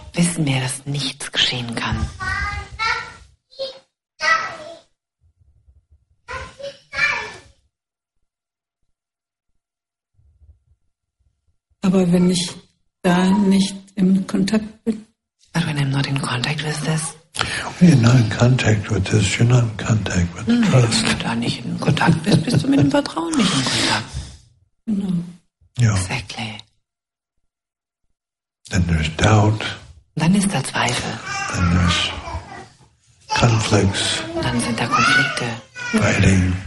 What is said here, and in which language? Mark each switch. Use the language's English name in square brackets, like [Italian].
[German] Wissen wir, dass nichts geschehen kann. Aber wenn ich da nicht im Kontakt bin, [English] but when I'm not in contact with this, when you're not in contact with this, you're not in contact with the trust. [German] Wenn du da nicht in Kontakt bist, bist du mit dem Vertrauen nicht in Kontakt. [English] No. Yeah. Exactly. Then there's doubt. [German] Dann ist da Zweifel. [English] Then there's conflicts. [German] Dann sind da Konflikte. [English] Fighting.